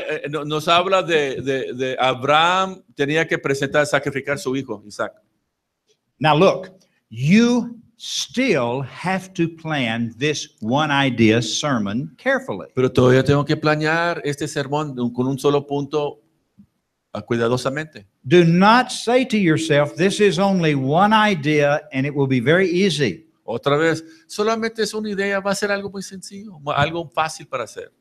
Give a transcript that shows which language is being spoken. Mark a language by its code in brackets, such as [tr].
[es] Nos habla de Abraham tenía que presentar sacrificar su hijo Isaac. [en] Now look, you still have to plan this one idea sermon carefully. [es] Pero todavía tengo que planear este sermón con un solo punto cuidadosamente. [en] Do not say to yourself, this is only one idea and it will be very easy. [es] Otra vez, solamente es una idea, va a ser algo muy sencillo, algo fácil para hacer.